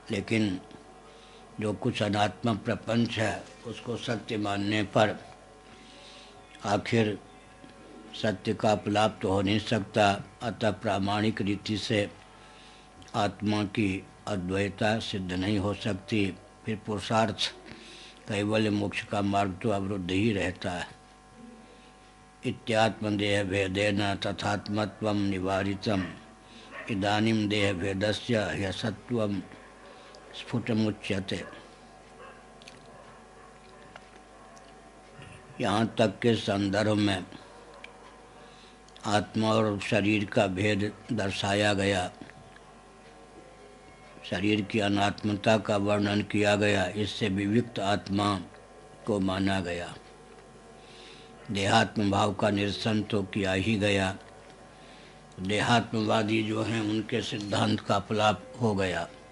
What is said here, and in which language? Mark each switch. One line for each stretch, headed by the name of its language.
Hindi: लेकिन जो कुछ अनात्म प्रपंच है उसको सत्य मानने पर आखिर सत्य का प्राप्त हो नहीं सकता, अतः प्रामाणिक रीति से आत्मा की अद्वैता सिद्ध नहीं हो सकती, फिर पुरुषार्थ कैवल्य मोक्ष का मार्ग तो अवरुद्ध ही रहता है।
Sanskrit: इत्यात्मदेह भेदेन तथात्मत्वं निवारितम् इदानीं देह भेदस्य ह्यसत्त्वं स्फुटमुच्यते।
Hindi: यहाँ तक के संदर्भ में आत्मा और शरीर का भेद दर्शाया गया, शरीर की अनात्मता का वर्णन किया गया, इससे विविक्त आत्मा को माना गया, देहात्म भाव का निरसन तो किया ही गया, देहात्मवादी जो हैं उनके सिद्धांत का प्रलाप हो गया।